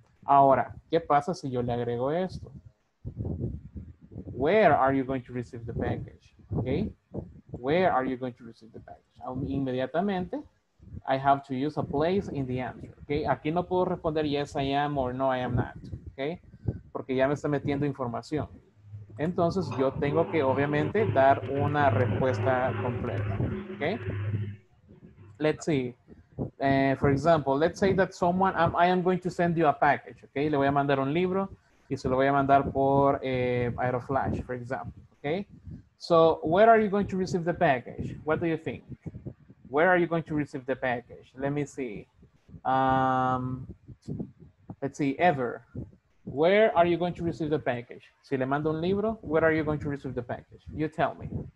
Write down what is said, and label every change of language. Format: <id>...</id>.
<es>Ahora, ¿qué pasa si yo le agrego esto?</es> <en>Where are you going to receive the package? Okay. Where are you going to receive the package? Inmediatamente. I have to use a place in the answer, okay?</en> <es>Aquí no puedo responder</es> <en>yes, I am, or no, I am not,</en> <es>okay? Porque ya me está metiendo información. Entonces, yo tengo que, obviamente, dar una respuesta completa, okay?</es> <en>Let's see. For example, let's say that someone, I am going to send you a package, okay?</en> <es>Le voy a mandar un libro y se lo voy a mandar por Aeroflash,</es> <en>for example,</en> <es>okay?</es> <en>So, where are you going to receive the package? What do you think? Where are you going to receive the package? Let me see. Let's see, ever. Where are you going to receive the package?</en> <es>Si le mando un libro,</es> <en>where are you going to receive the package? You tell me.</en>